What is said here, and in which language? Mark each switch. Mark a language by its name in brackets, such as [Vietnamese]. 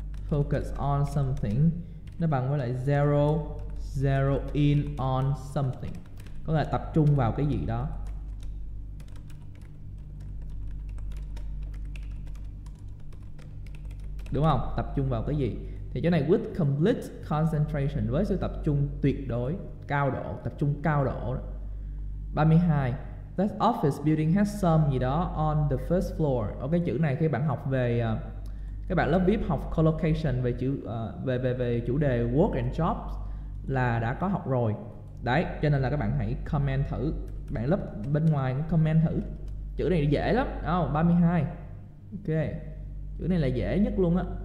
[English] Focus on something [Vietnamese] nó bằng với lại [English] zero in on something, [Vietnamese] có nghĩa là tập trung vào cái gì đó. Đúng không? Tập trung vào cái gì? Thì chỗ này [English] with complete concentration, [Vietnamese] với sự tập trung tuyệt đối, cao độ, tập trung cao độ. [English] 32, that office building has some [Vietnamese] gì đó [English] on the first floor. [Vietnamese] Ở cái chữ này khi bạn học về các bạn lớp VIP học collocation về chữ về chủ đề [English] work and jobs [Vietnamese] là đã có học rồi. Đấy, cho nên là các bạn hãy comment thử. Bạn lớp bên ngoài cũng comment thử. Chữ này dễ lắm. Đó, 32. Ok. Chữ này là dễ nhất luôn á.